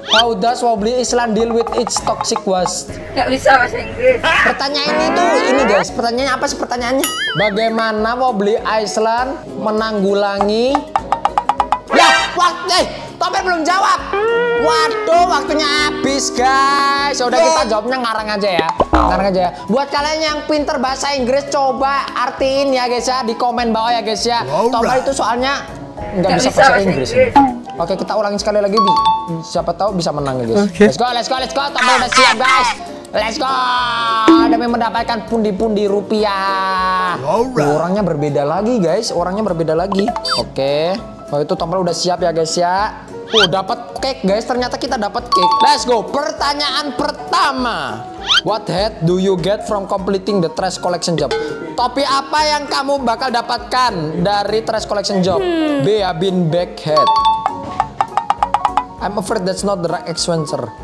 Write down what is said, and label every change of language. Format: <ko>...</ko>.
<en>How does Wobbly Island deal with its toxic waste?</en> <id>Gak bisa bahasa Inggris. Pertanyaan ini tuh, ini guys, pertanyaannya apa sih pertanyaannya? Bagaimana Wobbly Island menanggulangi... Ya, Tompel belum jawab. Waduh, waktunya habis guys. Yaudah kita jawabnya ngarang aja ya. Ngarang aja ya. Buat kalian yang pinter bahasa Inggris, coba artiin ya guys ya di komen bawah ya guys ya. Tompel itu soalnya nggak bisa bahasa Inggris. Oke, kita ulangin sekali lagi Bi. Siapa tahu bisa menang ya guys.</id> <en>Let's go, let's go, let's go.</en> <id>Tompel udah siap guys. Let's go. Demi mendapatkan pundi-pundi rupiah. Orangnya berbeda lagi guys. Orangnya berbeda lagi. Oke. Oh itu Tompel udah siap ya guys ya. Dapat cake guys, ternyata kita dapat cake.</id> <en>Let's go.</en> <id>Pertanyaan pertama.</id> <en>What hat do you get from completing the trash collection job?</en> <id>Topi apa yang kamu bakal dapatkan dari trash collection job?</id> <en>B, a bean bag hat. I'm afraid that's not the right answer.</en>